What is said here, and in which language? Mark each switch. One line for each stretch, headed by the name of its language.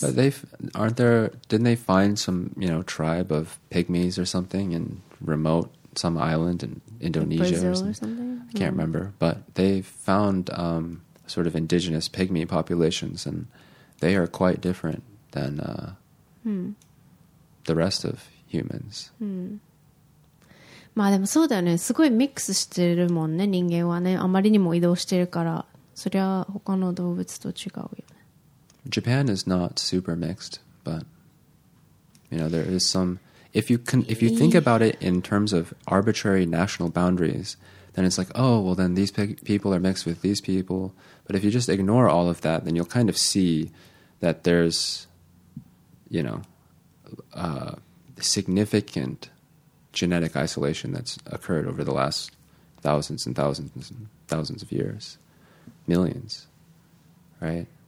English: But didn't they find some, you know, tribe of pygmies or something in remote, some island in Indonesia, like Brazil or something? I can't remember. But they found sort of indigenous pygmy populations, and they are quite different than the rest of humans.
Japanese: まあでもそうだよね。すごいミックスしてるもんね。人間はね、あまりにも移動してるから、そりゃ他の動物と違うよね。
English: Japan is not super mixed, but you know there is some. If you think about it in terms of arbitrary national boundaries, then it's like, oh well, then these people are mixed with these people. But if you just ignore all of that, then you'll kind of see that there's, you know, significant genetic isolation that's occurred over the last thousands and thousands and thousands of years, millions, right?